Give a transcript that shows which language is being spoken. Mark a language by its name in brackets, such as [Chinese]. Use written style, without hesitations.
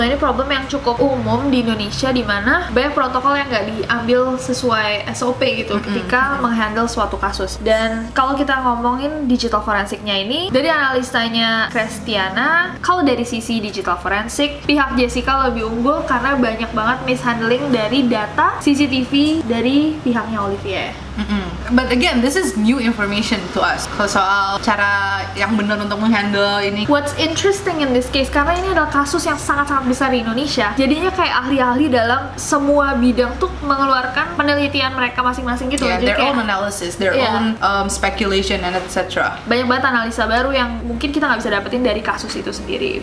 [Indonesian] Nah, ini problem yang cukup umum di Indonesia, di mana banyak protokol yang enggak diambil sesuai SOP gitu ketika menghandle suatu kasus. Dan kalau kita ngomongin digital forensiknya ini, dari analisanya Christiana, kalau dari sisi digital forensik, pihak Jessica lebih unggul karena banyak banget mishandling dari data CCTV dari pihaknya Olivier. Mm-hmm. [English] But again, this is new information to us. [Indonesian] Soal cara yang benar untuk menghandle ini. [English] What's interesting in this case, [Indonesian] karena ini adalah kasus yang sangat-sangat besar di Indonesia, jadinya kayak ahli-ahli dalam semua bidang tuh mengeluarkan penelitian mereka masing-masing gitu. [English] Yeah, their [Indonesian] kayak, [English] own analysis, their yeah. own speculation and etc. [Indonesian] Banyak banget analisa baru yang mungkin kita gak bisa dapetin dari kasus itu sendiri.